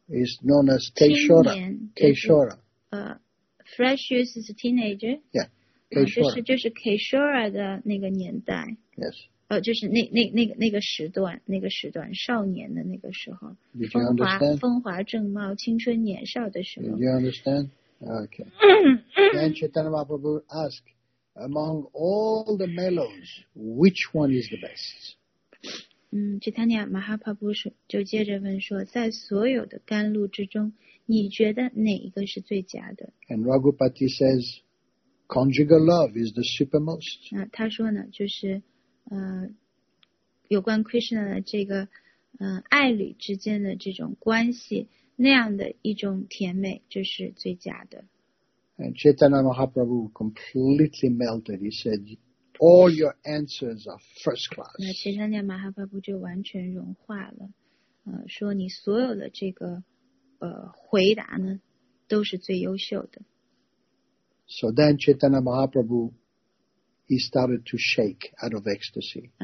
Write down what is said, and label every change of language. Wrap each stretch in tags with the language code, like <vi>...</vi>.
<en>Is known as Teshora. Teshora. Fresh youth is a teenager. Yeah.</en> <zh>Teshora 的那个年代。</zh> <en>Yes.</en> <zh>就是那个时段，那个时段少年的那个时候。</zh> <en>Did you understand?</en> <zh>风华正茂，青春年少的时候。</zh> <en>Did you understand? Okay. Then Chaitanya Mahaprabhu asked, among all the mellows, which one is the best?</en> <zh>Chaitanya Mahaprabhu 就接着问说，在所有的甘露之中，你觉得哪一个是最佳的？</zh> <en>And Raghupati says, conjugal love is the supermost.</en> <zh>他说呢，就是有关 Krishna 的这个爱侣之间的这种关系。那样的一种甜美就是最佳的。</zh> <en>And Chaitanya Mahaprabhu completely melted. He said, all your answers are first class.</en> <zh>那 Chaitanya Mahaprabhu 就完全融化了，说你所有的这个回答呢都是最优秀的。</zh> <en>So then Chaitanya Mahaprabhu, he started to shake out of ecstasy.</en>